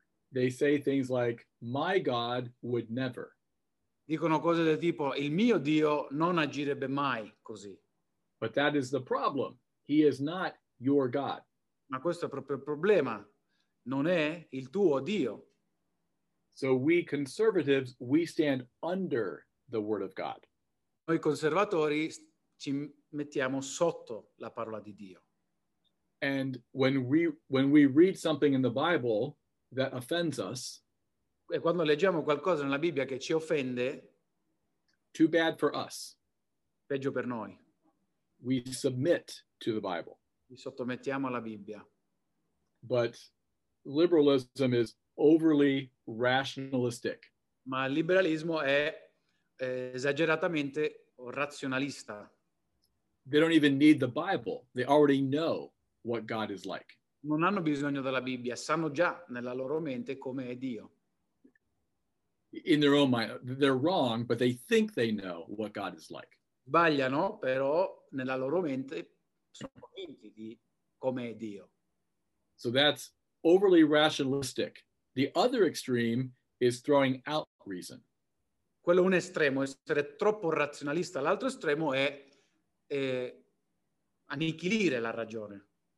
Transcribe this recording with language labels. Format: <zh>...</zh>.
<en>They say things like, "My God would never."</en> <it>Dicono cose del tipo, "Il mio Dio non agirebbe mai così."</it> <en>But that is the problem. He is not your God.</en> <it>Ma questo è proprio il problema. Non è il tuo Dio.</it> <en>So we conservatives, we stand under the word of God.</en> <it>Noi conservatori ci mettiamo sotto la parola di Dio.</it> <en>And when we read something in the Bible that offends us,</en> <it>e quando leggiamo qualcosa nella Bibbia che ci offende,</it> <en>too bad for us.</en> <it>Peggio per noi.</it> <en>We submit to the Bible.</en> <it>Ci sottomettiamo alla Bibbia.</it> <en>But liberalism is overly rationalistic.</en> <it>Ma il liberalismo è esageratamente razionalista.</it> <en>They don't even need the Bible. They already know what God is like.</en> <it>Non hanno bisogno della Bibbia, sanno già nella loro mente come è Dio.</it> <en>In their own mind, they're wrong, but they think they know what God is like.</en> <it>Sbagliano, però nella loro mente sono convinti di come è Dio.</it> <en>So that's overly rationalistic. The other extreme is throwing out reason.</en> <it>Quello è un estremo, essere troppo razionalista. L'altro estremo è annichilire la ragione.</it>